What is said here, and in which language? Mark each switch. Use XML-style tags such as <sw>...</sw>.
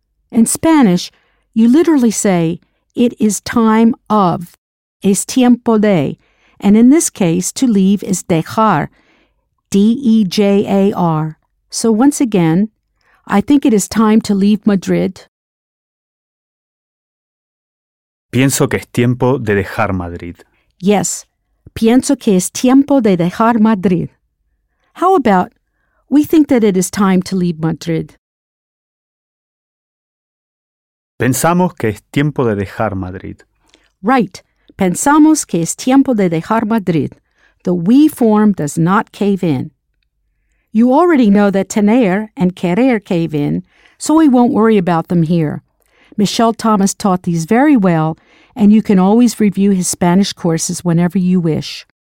<en>In Spanish, you literally say, it is time of,</en> <es>es tiempo de,</es> <en>and in this case, to leave is dejar, D-E-J-A-R. So once again, I think it is time to leave Madrid.</en> <es>Pienso que es tiempo de dejar Madrid.</es> <en>Yes,</en> <es>pienso que es tiempo de dejar Madrid.</es> <en>How about, we think that it is time to leave Madrid?</en> <es>Pensamos que es tiempo de dejar Madrid.</es> <en>Right.</en> <es>Pensamos que es tiempo de dejar Madrid.</es> <en>the we form does not cave in. You already know that tener and querer cave in, so we won't worry about them here. Michelle Thomas taught these very well, and you can always review his Spanish courses whenever you wish.</en>